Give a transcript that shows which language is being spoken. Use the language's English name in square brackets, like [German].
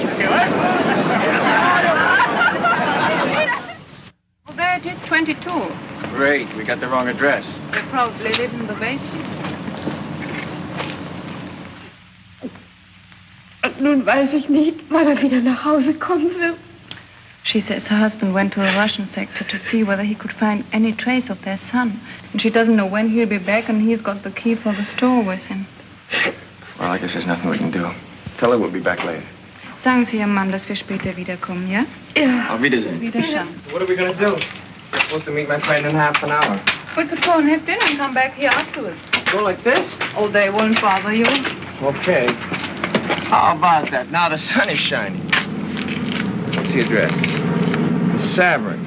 [English] Well, there it is, 22. Great, we got the wrong address. They probably live in the basement. [German] Und nun weiß ich nicht, wann er wieder nach Hause kommen will. [English] She says her husband went to a Russian sector to see whether he could find any trace of their son. And she doesn't know when he'll be back, and he's got the key for the store with him. Well, I guess there's nothing we can do. Tell her we'll be back later. [German] Sagen Sie Ihrem Mann, dass wir später wiederkommen, ja? Ja. Auf Wiedersehen. Wiedersehen. [English] What are we going to do? We're supposed to meet my friend in half an hour. We could go and have dinner and come back here afterwards. Go like this? Oh, they won't bother you. Okay. How about that? Now the sun is shining. What's the address? The Savarin.